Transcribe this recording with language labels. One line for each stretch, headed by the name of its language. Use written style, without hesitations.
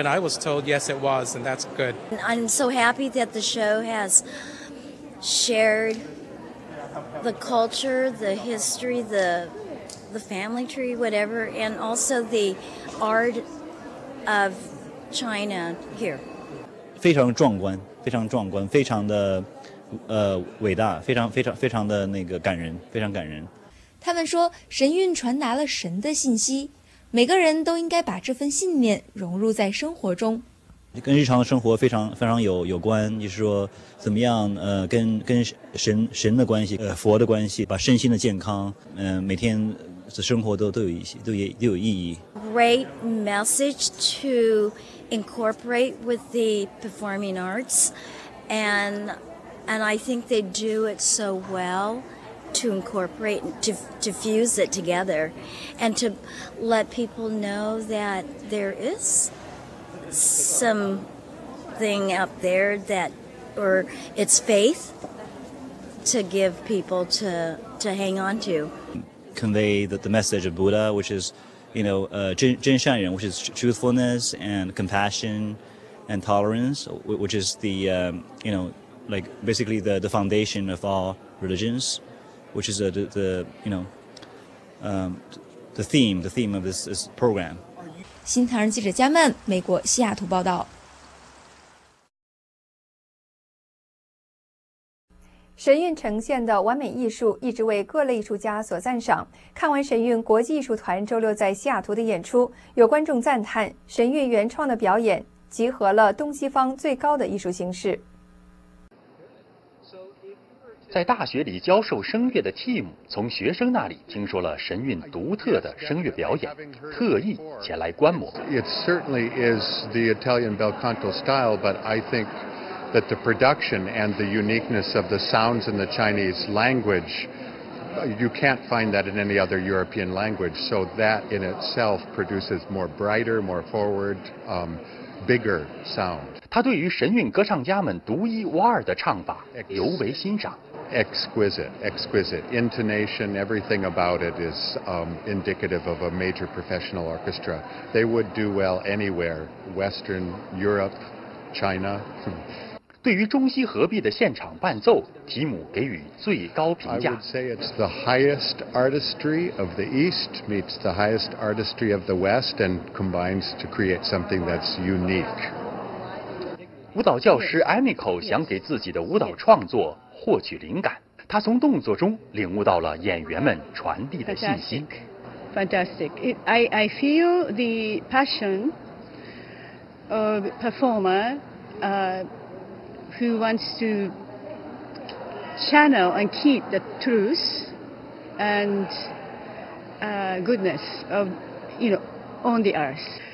English: And I was told yes, it was, and that's good. I'm so happy that the show has shared. The culture, the history, the family tree, whatever, and also the art of China here.
Chinese: 非常壮观，非常壮观，非常的伟大，非常非常非常的那个感人，非常感人。他们说，神韵传达了神的信息，每个人都应该把这份信念融入在生活中。跟日常生活非常非常有关，就是说怎么样跟神的关系，佛的关系，把身心的健康，每天的生活都有一些都有意义。
English: Great message to incorporate with the performing arts, and I think they do it so well to incorporate to fuse it together, and to let people know that there is. Something up there that, or it's faith to give people to hang on to. Convey the message of Buddha, which is, you know, 真善人, which is truthfulness and compassion and tolerance, which is the, you know, like basically the foundation of all religions, which is the theme of this program.
Chinese: 新唐人记者加曼，美国西雅图报道。神韵呈现的完美艺术一直为各类艺术家所赞赏。看完神韵国际艺术团周六在西雅图的演出，有观众赞叹神韵原创的表演集合了东西方最高的艺术形式。在大学里教授声乐的 Tim 从学生那里听说了神韵独特的声乐表演，特意前来观摩。
English: It certainly is the Italian bel canto style, but I think that the production and the uniqueness of the sounds in the Chinese language, you can't find that in any other European language. So that in itself produces more brighter, more forward, bigger sound.
Chinese: 他对于神韵歌唱家们独一无二的唱法尤为欣赏。
English: Exquisite intonation, everything about it is indicative of a major professional orchestra. They would do well anywhere, Western Europe, China.
Chinese: 对于中西合璧的现场伴奏，提姆给予最高评价。
English: I would say it's the highest artistry of the East meets the highest artistry of the West and combines to create something that's unique.
Chinese: 舞蹈教师 Amico 想给自己的舞蹈创作获取灵感，他从动作中领悟到了演员们传递的信息。
English: Fantastic. I feel the passion of performer who wants to channel and keep the truth and goodness of, you know, on the earth.